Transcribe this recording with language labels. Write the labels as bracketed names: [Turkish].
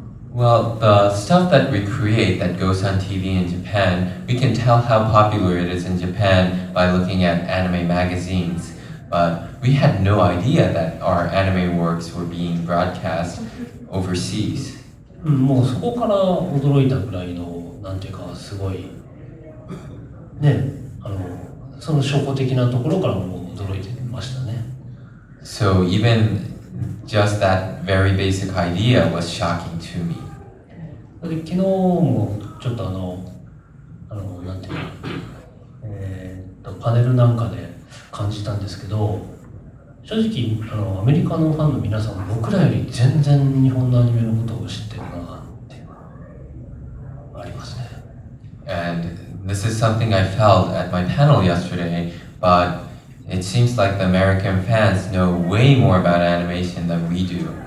[English] Well, the stuff that we create that goes on TV in Japan, we can tell how popular it is in Japan by looking at anime magazines. But we had no idea that our anime works were being broadcast overseas. [Japanese] もうそこから驚いたくらいの、なんていうか、すごい、ね、その証拠的なところからも驚いてましたね。 [English] So even just that very basic idea was shocking to me. [Japanese] 昨日もちょっとなんていうか、パネルなんかで感じたんですけど、正直アメリカのファンの皆さん、僕らより全然日本のアニメのことを知ってるなっていうありますね。 [English] And this is something I felt at my panel yesterday, but it seems like the American fans know way more about animation than we do.